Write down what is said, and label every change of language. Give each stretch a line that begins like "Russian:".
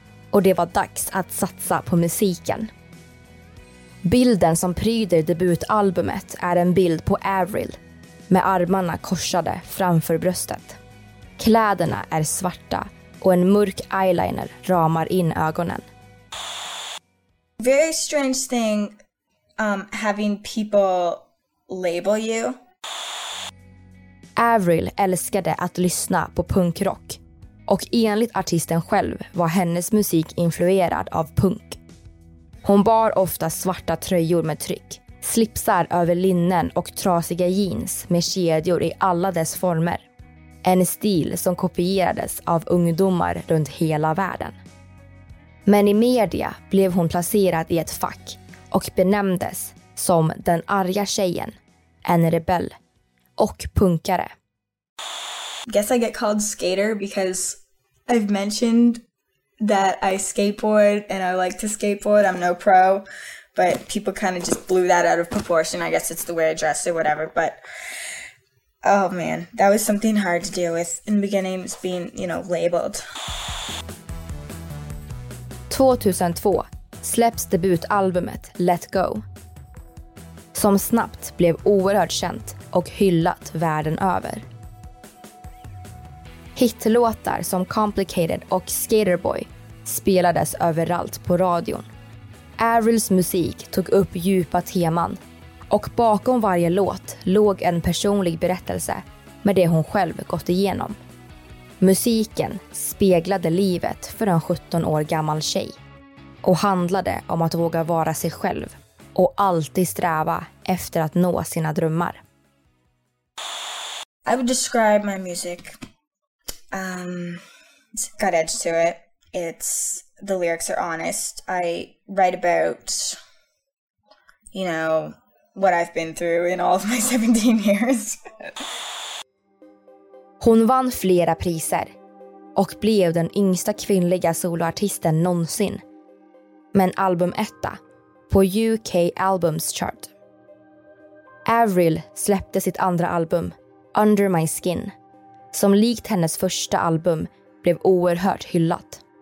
Swedish: Och det var dags att satsa på musiken. Bilden som pryder debutalbumet är en bild på Avril med armarna korsade framför bröstet. Kläderna är svarta och en mörk eyeliner ramar in ögonen.
English: Very strange thing, having people label you.
Swedish: Avril älskade att lyssna på punkrock, och enligt artisten själv var hennes musik influerad av punk. Hon bar ofta svarta tröjor med tryck, slipsar över linnen och trasiga jeans med kedjor i alla dess former. En stil som kopierades av ungdomar runt hela världen. Men i media blev hon placerad i ett fack och benämndes som den arga tjejen, en rebell och punkare.
English: Guess I get called skater because I've mentioned that I skateboard and I like to skateboard. I'm no pro, but people kind of just blew that out of proportion. I guess it's the way I dress or whatever, but oh man, that was something hard to deal with in the beginning, is being, you know, labeled.
Swedish: 2002 släpps debutalbumet Let Go, som snabbt blev oerhört känt och hyllat världen över. Hitlåtar som Complicated och Skater Boy spelades överallt på radion. Avrils musik tog upp djupa teman, och bakom varje låt låg en personlig berättelse med det hon själv gått igenom. Musiken speglade livet för en 17 år gammal tjej och handlade om att våga vara sig själv och alltid sträva efter att nå sina drömmar.
English: I would describe my music. It's got edge to it. It's, the lyrics are honest. I write about, you know, what I've been through in all of my 17 years.
Swedish: Hon vann flera priser och blev den yngsta kvinnliga soloartisten någonsin. Men album etta på UK Albums Chart. Avril släppte sitt andra album, Under My Skin, som likt hennes första album blev oerhört hyllat.